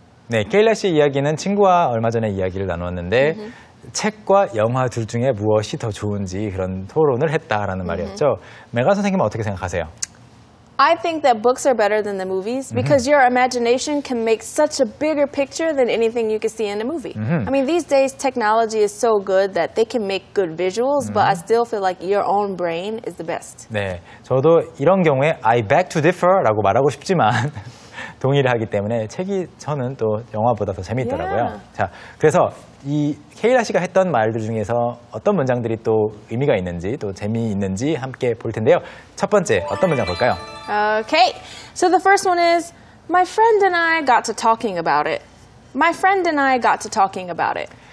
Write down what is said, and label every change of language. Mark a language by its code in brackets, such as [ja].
[ko] Ne, Kayla 씨 이야기는 친구와 얼마 전에 이야기를 나누었는데 책과 영화 둘 중에 무엇이 더 좋은지 그런 토론을 했다라는 말이었죠. 메가 선생님은 어떻게 생각하세요? [en] I think that books are better than the movies because your imagination can make such a bigger picture than anything you can see in a movie. I mean, these days, technology is so good that they can make good visuals, but I still feel like your own brain is the best. [ko] 네, 저도 이런 경우에 [en] I beg to differ [ko] 라고 말하고 싶지만 동의를 하기 때문에 책이 저는 또 영화보다 더 재미있더라고요. [en] Yeah. [ko] 자, 그래서 이 케일라 씨가 했던 말들 중에서 어떤 문장들이 또 의미가 있는지 또 재미있는지 함께 볼 텐데요. 첫 번째 어떤 문장 볼까요? [en] Okay. So the first one is my friend and I got to talking about it. My friend and I got to talking about it.